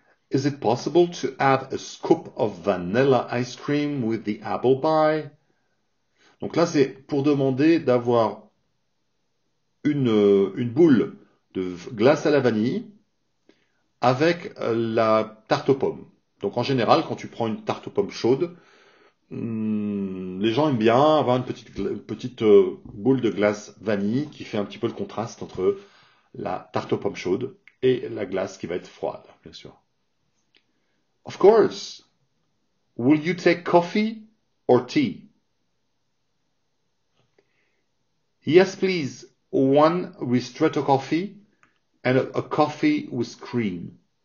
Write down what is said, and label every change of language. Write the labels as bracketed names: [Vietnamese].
[English] Is it possible to have a scoop of vanilla ice cream with the apple pie? [French] Donc là, c'est pour demander d'avoir une boule de glace à la vanille avec la tarte aux pommes. Donc en général, quand tu prends une tarte aux pommes chaude, les gens aiment bien avoir une petite boule de glace vanille qui fait un petit peu le contraste entre la tarte aux pommes chaude et la glace qui va être froide, bien sûr. [English] Of course, will you take coffee or tea? Yes, please, one ristretto coffee and a coffee with cream.